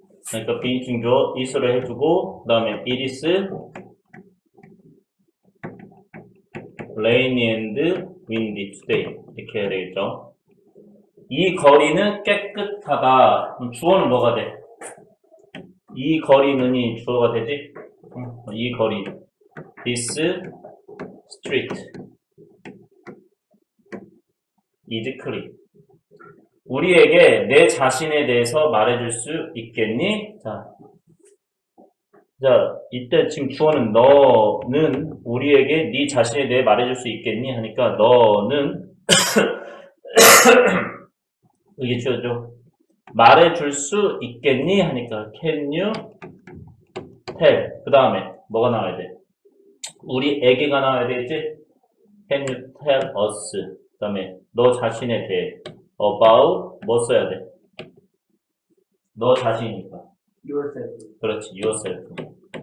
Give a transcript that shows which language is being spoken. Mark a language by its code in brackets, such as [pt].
[ko] 그러니까 비인칭 주어 is로 해주고 그다음에 [en] it is rainy and windy today [ko] 이렇게 해야 되겠죠. 이 거리는 깨끗하다. 그럼 주어는 뭐가 돼? 이 거리는이 주어가 되지? 이 거리 [en] this street is clean. [ko] 우리에게 내 자신에 대해서 말해줄 수 있겠니? 자, 이때 지금 주어는 너는 우리에게 네 자신에 대해 말해줄 수 있겠니? 하니까 너는 이게 주어죠. 말해줄 수 있겠니? 하니까 [en] can you tell? [ko] 그 다음에 뭐가 나와야 돼? 우리에게가 나와야 되지? [en] Can you tell us? [ko] 그 다음에 너 자신에 대해 about 뭐 써야 돼? 너 자신이니까 [en] yourself. [ko] 그렇지, yourself.